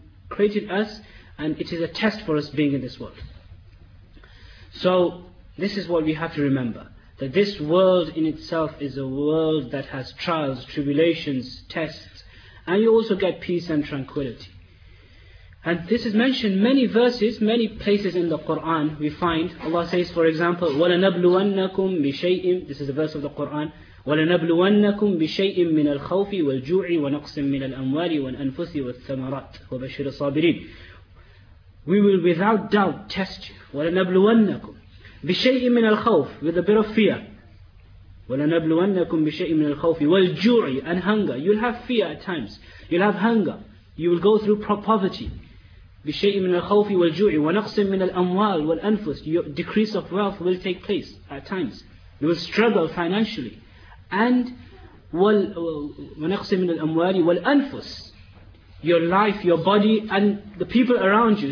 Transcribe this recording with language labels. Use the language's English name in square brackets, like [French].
[English] Allah created us in this world and it is a test for us being in this world. So this is what we have to remember, that this world in itself is a world that has trials, tribulations, tests, and you also get peace and tranquility. And this is mentioned many verses, many places in the Quran. We find Allah says, for example, [Arabic] وَلَنَبْلُوَنَّكُمْ بِشَيْءٍ, [English] this is a verse of the Quran, [Arabic] وَلَنَبْلُوَنَّكُمْ بِشَيْءٍ مِنَ الْخَوْفِ وَالْجُوعِ وَنَقْصٍ مِنَ الْأَمْوَالِ وَالْأَنْفُسِ وَالثَّمَرَاتِ وَبَشِّرِ الصَّابِرِينَ. [English] We will without doubt test you. [Arabic] وَلَنَبْلُوَنَّكُمْ بِشَيْءٍ مِنَ الْخَوْفِ, [English] with a bit of fear. [Arabic] وَلَنَبْلُوَنَّكُمْ بِشَيْءٍ مِنَ الْخَوْفِ وَالْجُوعِ, [English] and hunger. You'll have fear at times. You'll have hunger. You will go through poverty. [Arabic] بِشَيْءٍ مِنَ الْخَوْفِ وَالْجُوعِ وَنَقْصٍ مِنَ الْأَمْوَالِ وَالْأَنْفُسِ. [English] Your decrease of wealth will take place at times. You will struggle financially. And [Arabic] وَنَقْصٍ مِنَ الْأَمْوَالِ وَالْأَنْفُسِ, [English] your life, your body, and the people around you.